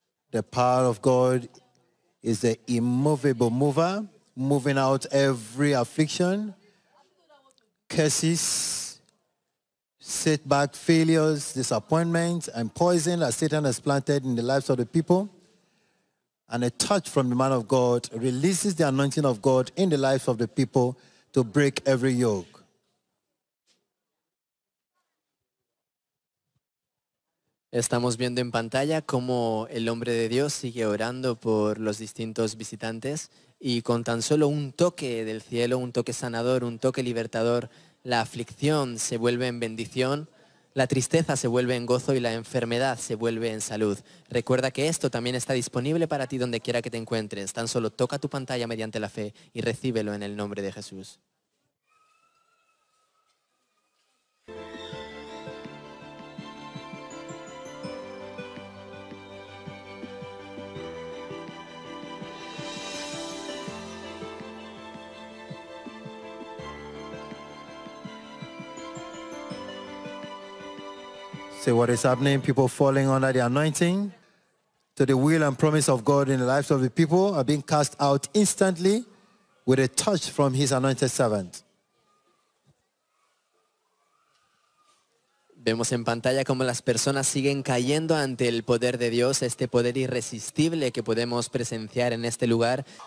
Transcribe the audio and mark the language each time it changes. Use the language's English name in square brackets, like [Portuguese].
[English] The power of God is the immovable mover, moving out every affliction, curses, setback, failures, disappointments, and poison that Satan has planted in the lives of the people. and a touch from the man of God releases the anointing of God in the lives of the people to break every yoke. [Spanish] Estamos viendo en pantalla cómo el hombre de Dios sigue orando por los distintos visitantes y con tan solo un toque del cielo, un toque sanador, un toque libertador, la aflicción se vuelve en bendición, la tristeza se vuelve en gozo y la enfermedad se vuelve en salud. Recuerda que esto también está disponible para ti donde quiera que te encuentres. Tan solo toca tu pantalla mediante la fe y recíbelo en el nombre de Jesús. [English] See what is happening, people falling under the anointing. To the will and promise of God in the lives of the people are being cast out instantly with a touch from his anointed servant. [Spanish] Vemos en pantalla cómo las personas siguen cayendo ante el poder de Dios, este poder irresistible que podemos presenciar en este lugar.